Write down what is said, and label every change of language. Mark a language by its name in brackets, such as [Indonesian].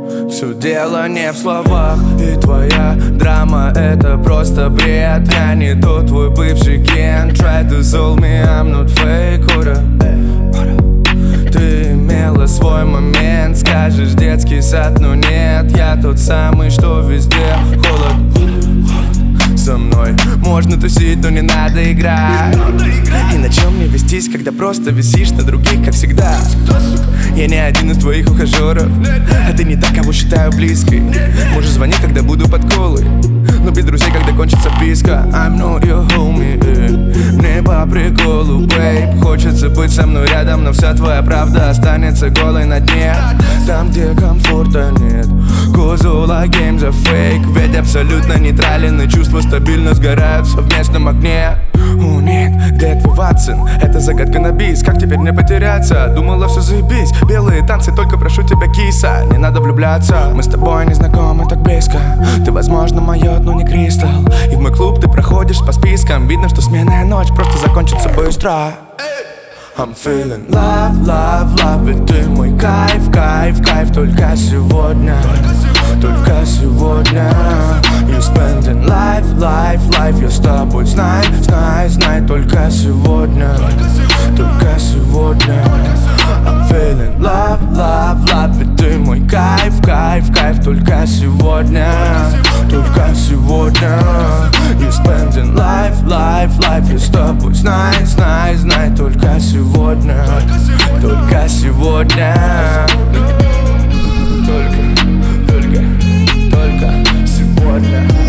[Russian] Все дело не в словах, и твоя драма — это просто бред. Я не тот твой бывший кен. [English] Try to solve me, I'm not faker. [Russian] Ты имела свой момент, скажешь детский сад, но нет. Я тот самый, что везде холод. Со мной можно тусить, но не надо играть. И на чем мне вестись, когда просто висишь на других, как всегда? Я не один из твоих ухажеров, а ты не та, кого считаю близкой. Можешь звонить, когда буду под колы, но без друзей, когда кончится писка. [English] I'm not your homie, [Russian] мне по приколу, [English] babe. [Russian] Хочется быть со мной рядом, но вся твоя правда останется голой на дне. Там, где комфорта нет, [English] cause all our games are fake. [Russian] Ведь абсолютно нейтрален, и чувства стабильно сгорают в совместном огне. О, нет, где твой Ватсон? Это загадка на бис. Как теперь мне потеряться? Думала, все заебись. Белые танцы, только прошу тебя, киса. Не надо влюбляться. Мы с тобой не знакомы так близко. Ты, возможно, мое, но не кристалл. И в мой клуб ты проходишь по спискам. Видно, что сменная ночь просто закончится быстро. [English] I'm feeling love, love, love. [Russian] Ведь ты мой кайф, кайф, кайф. Только сегодня, только сегодня. [English] You spending life, life, life. [Russian] Я с тобой, знай, знай, знай. Только сегодня, только сегодня. [English] I'm feeling love, love, love. [Russian] Ведь ты мой кайф, кайф, кайф. Только сегодня, только сегодня. [English] You spending life, life, life. [Russian] Я с тобой, знай, знай, знай. Только сегодня, только сегодня. Только, только, только сегодня.